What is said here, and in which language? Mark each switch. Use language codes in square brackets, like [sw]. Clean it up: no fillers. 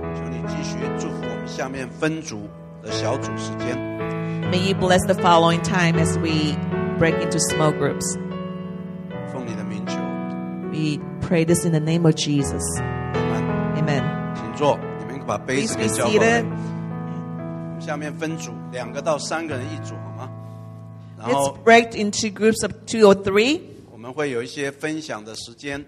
[zh] 求你继续祝福我们下面分组的小组时间。 [en] May you bless the following time as we break into small groups. [zh] 奉你的名求。 [en] We pray this in the name of Jesus. Amen. Amen. [zh] 请坐。把杯子给交过来。我们下面分组，两个到三个人一组，好吗？然后 [en] Let's break into groups of two or three. [zh] 我们会有一些分享的时间。